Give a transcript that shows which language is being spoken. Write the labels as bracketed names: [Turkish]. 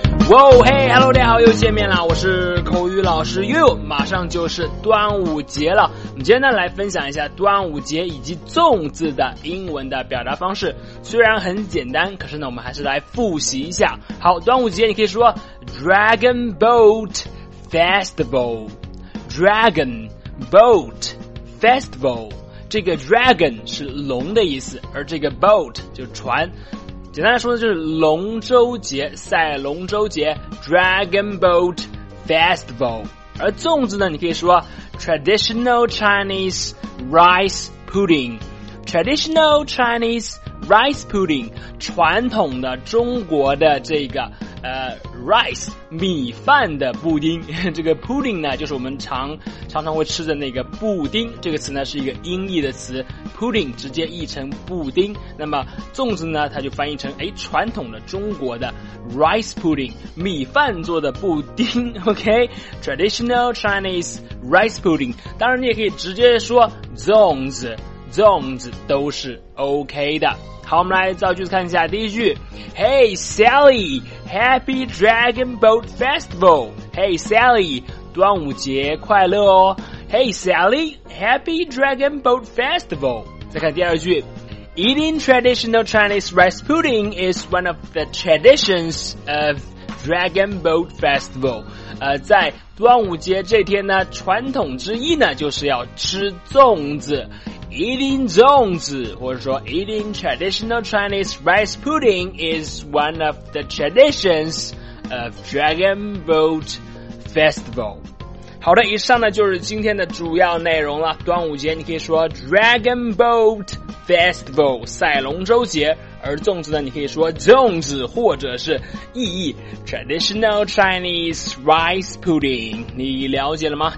[Chinese] 哇哦，嘿哈喽，大家好，又见面了，我是口语老师悠悠。马上就是端午节了，我们今天呢来分享一下端午节以及粽子的英文的表达方式。虽然很简单，可是呢我们还是来复习一下。好，端午节你可以说 Dragon Boat Festival， Dragon Boat Festival。这个 dragon 是龙的意思，而这个 boat 就是船，简单来说的就是龙舟节，赛龙舟节 Dragon Boat Festival。而粽子呢你可以说 Traditional Chinese Rice Pudding， Traditional Chinese Rice Pudding， 传统的中国的这个rice 米饭的布丁。这个 pudding 呢就是我们常常会吃的那个布丁，这个词呢是一个音译的词， pudding 直接译成布丁。那么粽子呢它就翻译成传统的中国的 rice pudding， 米饭做的布丁， OK， traditional Chinese rice pudding。当然你也可以直接说粽子，粽子都是 OK 的。好，我们来造句子看一下。第一句， [English] Hey Sally， Happy Dragon Boat Festival。 [Chinese] Hey Sally， 端午节快乐哦。 [English] Hey Sally， Happy Dragon Boat Festival。 [Chinese] 再看第二句， [English] Eating traditional Chinese rice pudding is one of the traditions of Dragon Boat Festival。 [Chinese] 在端午节这天呢，传统之一呢就是要吃粽子。 [English] Eating [Chinese] 粽子，或者说 [English] Eating traditional Chinese rice pudding is one of the traditions of Dragon Boat Festival。 [Chinese] 好的，以上呢就是今天的主要内容了。端午节你可以说 Dragon Boat Festival， 赛龙舟节。而粽子呢你可以说粽子，或者是意义 Traditional Chinese rice pudding。你了解了吗？